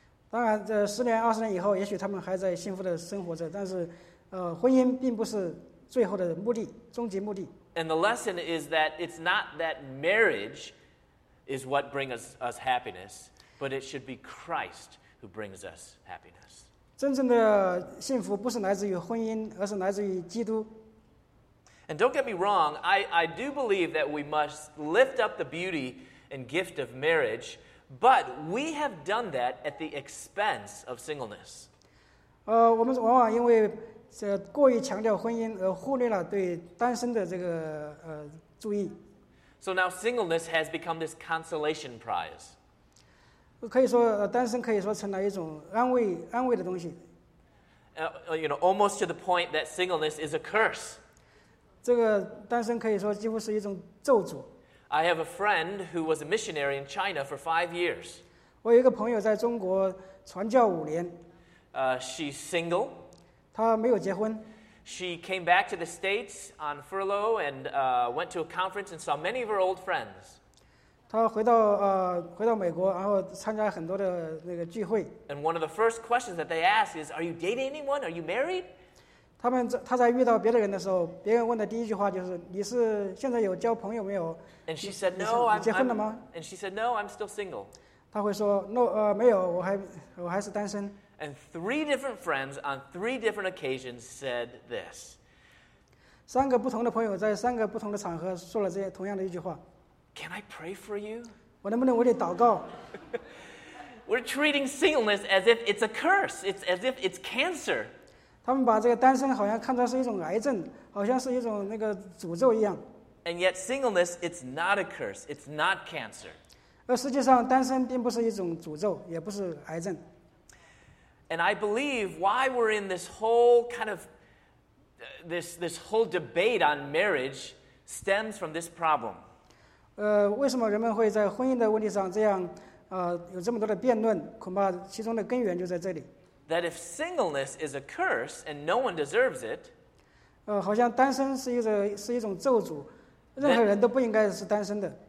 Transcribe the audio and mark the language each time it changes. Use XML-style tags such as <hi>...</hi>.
<zh>当然，这十年、二十年以后，也许他们还在幸福的生活着，但是，婚姻并不是。最后的目的，终极目的。</zh> <en>And the lesson is that it's not that marriage is what brings us happiness, but it should be Christ who brings us happiness.</en> <zh>真正的幸福不是来自于婚姻，而是来自于基督。</zh> <en>And don't get me wrong, I do believe that we must lift up the beauty and gift of marriage, but we have done that at the expense of singleness.</en> <zh>我们往往因为这过于强调婚姻，而忽略了对单身的这个注意。</zh> <en>So now singleness has become this consolation prize.</en> <zh>可以说单身可以说成了一种安慰的东西。</zh> <en>You know, almost to the point that singleness is a curse.</en> <zh>这个单身可以说几乎是一种咒诅。</zh> <en>I have a friend who was a missionary in China for 5 years.</en> <zh>我有一个朋友在中国传教5年。</zh> <en>She's single.</en> <zh>She 没有结婚。</zh> <en>She came back to the States on furlough and went to a conference and saw many of her old friends.</en> <zh>她回到回到美国，然后参加很多的那个聚会。</zh> <en>And one of the first questions that they ask is, "Are you dating anyone? Are you married?"</en> <zh>她在遇到别的人的时候，别人问的第一句话就是，你是现在有交朋友没有？</zh> <en>And she said, "No, I'm."</en> <zh>你结婚了吗？</zh> <en>And she said, "No, I'm still single."</en> <zh>她会说 ，No， 没有，我还是单身。</zh> <en>And three different friends on three different occasions said this.</en> <zh>三个不同的朋友在三个不同的场合说了这同样的一句话。</zh> <en>Can I pray for you?</en> <zh>我能不能为你祷告？</zh> <en>We're treating singleness as if it's a curse. It's as if it's cancer.</en> <zh>他们把这个单身好像看作是一种癌症，好像是一种那个诅咒一样。</zh> <en>And yet singleness, it's not a curse. It's not cancer.</en> <zh>而实际上，单身并不是一种诅咒，也不是癌症。</zh> <en>And I believe why we're in this whole kind of this whole debate on marriage stems from this problem.</en> <zh>为什么人们会在婚姻的问题上这样有这么多的辩论？恐怕其中的根源就在这里。</zh> <en>That if singleness is a curse and no one deserves it,</en> <zh>好像单身是一种咒诅，任何人都不应该是单身的。</zh>